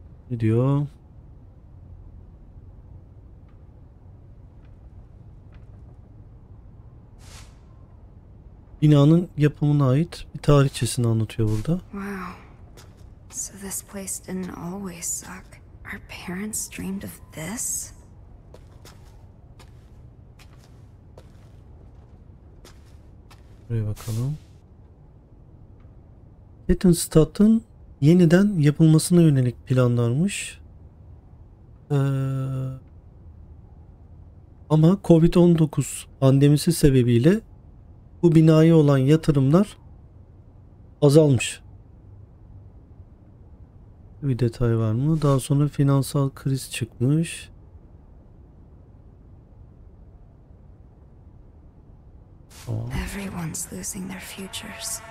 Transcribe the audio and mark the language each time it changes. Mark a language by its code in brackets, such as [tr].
[tr] Ne diyor? Binanın yapımına ait bir tarihçesini anlatıyor burada. [en] Wow. So this place didn't always suck. Our parents dreamed of this. [tr] Buraya bakalım. Kettenstadt'ın yeniden yapılmasına yönelik planlarmış. Ama Covid-19 pandemisi sebebiyle bu binaya olan yatırımlar azalmış. Bir detay var mı? Daha sonra finansal kriz çıkmış. [en] Everyone's losing their futures.